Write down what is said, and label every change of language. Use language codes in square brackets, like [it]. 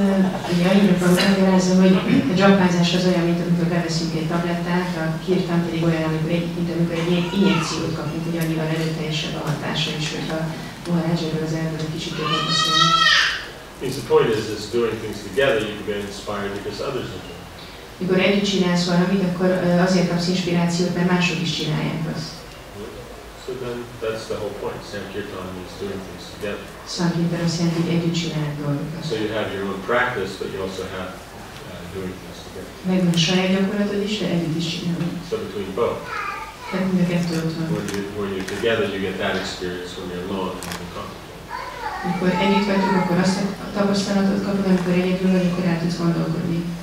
[hu] Az olyan, mint amikor beveszünk egy tablettát, a kirtan pedig olyan, mint amikor egy injekciót kapunk, hogy annyira erőteljesebb a hatása is, hogyha Maharajáról az erdőről kicsit többet beszélünk. [en] Means the point is doing things together, you can be inspired because others are doing. [hu] Mikor együtt csinálsz valamit, akkor azért kapsz inspirációt, mert mások is csinálják azt. [en] So then that's the whole point. Sankirtan means doing things together. [hu] Sankirtan azt jelenti, hogy együtt csinálják dolgokat. [en] So you have your own practice, but you also have doing things. [hu] Megvan a saját gyakorlatod is, de együtt is csinálod. [en] So between both. [hu] Tehát mind a kettő ott van. [en] When you're together, you get that experience when you're alone and you're comfortable. [hu] Amikor együtt vagyunk, akkor azt a tapasztalatot kapod, amikor egyedül vagy, akkor el tudsz gondolkodni.